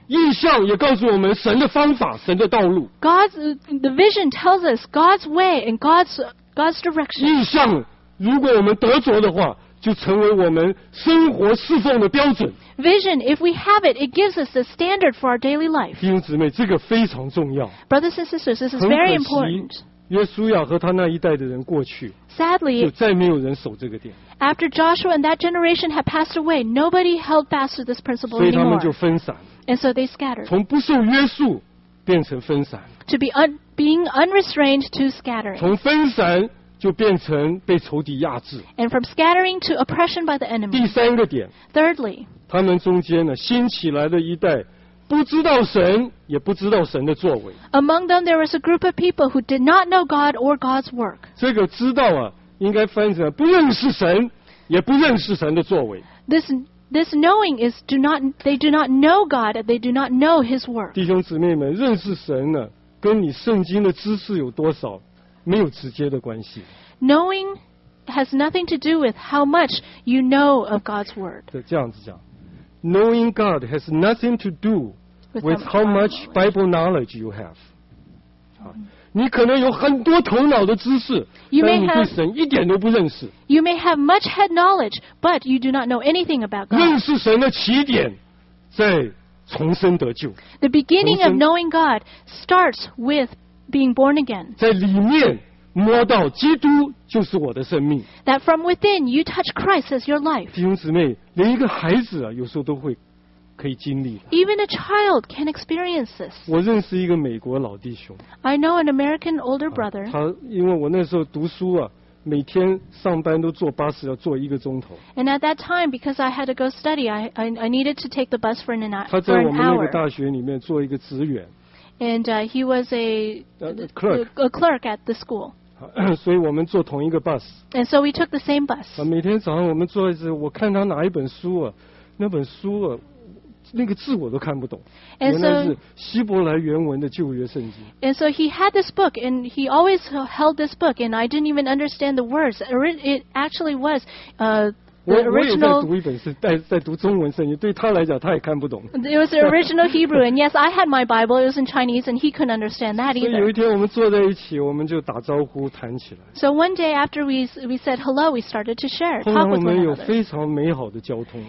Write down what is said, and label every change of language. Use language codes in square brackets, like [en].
[zh] 意象也告诉我们神的方法，神的道路。 [en] The vision tells us God's way and God's direction. [zh] 意象，如果我们得着的话，就成为我们生活侍奉的标准。 [en] Vision, if we have it, it gives us the standard for our daily life. [zh] 弟兄姊妹，这个非常重要。 [en] Brothers and sisters, this is very important. [zh] 约书亚和他那一代的人过去， [en] Sadly, [zh] 就再没有人守这个点。 [en] After Joshua and that generation had passed away, nobody held fast to this principle anymore. [zh] 所以他们就分散。 [en] And so they scattered. [zh] 从不受约束变成分散。 [en] To be being unrestrained to scattering. [zh] 从分散就变成被仇敌压制。 [en] And from scattering to oppression by the enemy. [zh] 第三个点。 [en] Thirdly. [zh] 他们中间呢，兴起来的一代，不知道神，也不知道神的作为。 [en] Among them, there was a group of people who did not know God or God's work. [zh] 这个知道啊，应该翻成不认识神，也不认识神的作为。 [en] This knowing is they do not know God, they do not know His work. [zh] 弟兄姊妹们，认识神呢，跟你圣经的知识有多少？没有直接的关系。 [en] Knowing has nothing to do with how much you know of God's word. [zh] 这样子讲， [en] knowing God has nothing to do with how much Bible knowledge you have. [zh] 你可能有很多头脑的知识，但你对神一点都不认识。 [en] You may have much head knowledge, but you do not know anything about God. [zh] 认识神的起点在重生得救。 [en] The beginning of knowing God starts with being born again. [zh] 在里面摸到基督就是我的生命。 [en] That from within you touch Christ as your life. [zh] 弟兄姊妹，连一个孩子啊，有时候都会可以经历。 [en] Even a child can experience this. [zh] 我认识一个美国老弟兄。 [en] I know an American older brother. [zh] 他因为我那时候读书啊，每天上班都坐巴士要坐一个钟头。 [en] And at that time, because I had to go study, I needed to take the bus for an hour. [zh] 他在我们那个大学里面做一个职员。 [en] And he was a clerk at the school. [zh] 所以我们坐同一个 bus. [en] And so we took the same bus. [zh] 每天早上我们坐一次，我看他哪一本书啊，那本书啊，那个字我都看不懂。 [en] And so, [zh] 原来是希伯来原文的旧约圣经。 [en] And so he had this book, and he always held this book, and I didn't even understand the words. It actually was original, [zh] 我也在读一本是 在读中文圣经，对他来讲他也看不懂。 [en] It was original Hebrew, and yes, I had my Bible. It was in Chinese, and he couldn't understand that either. [zh] 所以有一天我们坐在一起，我们就打招呼谈起来。 [en] So one day after we said hello, we started to share. [zh] 后来我们有非常美好的交通。